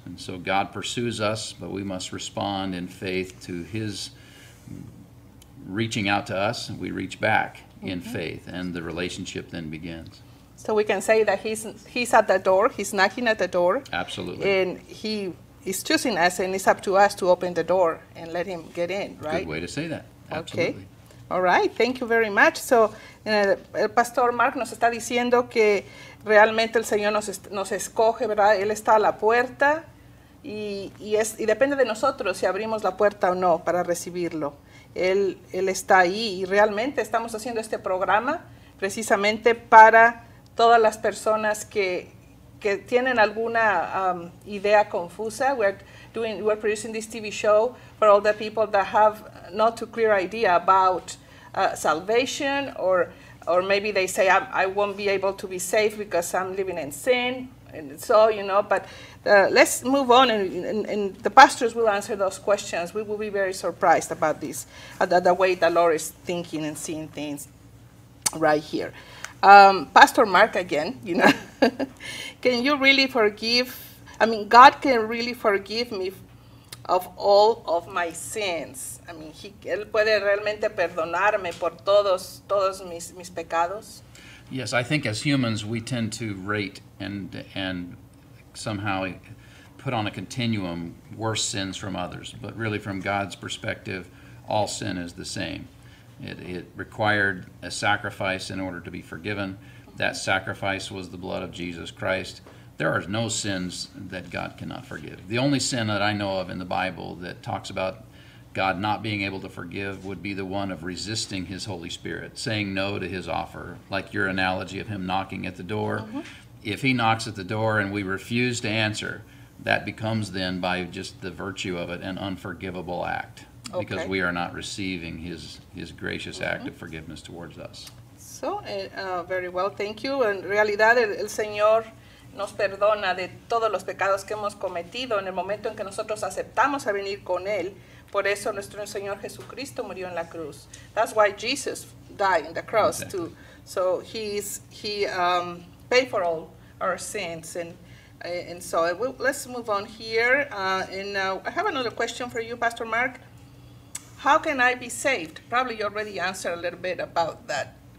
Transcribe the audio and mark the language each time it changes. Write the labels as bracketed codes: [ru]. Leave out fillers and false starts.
[en] And so God pursues us, but we must respond in faith to his reaching out to us. We reach back in faith, and the relationship then begins. So we can say that he's at the door. He's knocking at the door. Absolutely. And he is choosing us, and it's up to us to open the door and let him get in, right? Good way to say that. Absolutely. Okay. All right. Thank you very much. [es] So el Pastor Mark nos está diciendo que realmente el Señor nos escoge, ¿verdad? Él está a la puerta y depende de nosotros si abrimos la puerta o no para recibirlo. Él está ahí y realmente estamos haciendo este programa precisamente para todas las personas que tienen alguna idea confusa. [en] We're producing this TV show for all the people that have not too clear idea about salvation, or maybe they say I won't be able to be saved because I'm living in sin, and so you know. But let's move on, and the pastors will answer those questions. We will be very surprised about this, the way the Lord is thinking and seeing things right here. Pastor Mark, again, you know, can you really forgive? I mean, God can really forgive me of all of my sins. I mean, [es] Él puede realmente perdonarme por todos mis pecados. [en] Yes, I think as humans, we tend to rate and somehow put on a continuum worse sins from others. But really, from God's perspective, all sin is the same. It required a sacrifice in order to be forgiven. That sacrifice was the blood of Jesus Christ. There are no sins that God cannot forgive. The only sin that I know of in the Bible that talks about God not being able to forgive would be the one of resisting his Holy Spirit, saying no to his offer, like your analogy of him knocking at the door. Mm-hmm. If he knocks at the door and we refuse to answer, that becomes then, by just the virtue of it, an unforgivable act. Okay. Because we are not receiving his gracious mm-hmm. act of forgiveness towards us. So, very well, thank you. [es] En realidad, el Señor nos perdona de todos los pecados que hemos cometido en el momento en que nosotros aceptamos a venir con Él. Por eso nuestro Señor Jesucristo murió en la cruz. [en] That's why Jesus died in the cross, okay. too. So he paid for all our sins. And so let's move on here. I have another question for you, Pastor Mark. How can I be saved? Probably you already answered a little bit about that.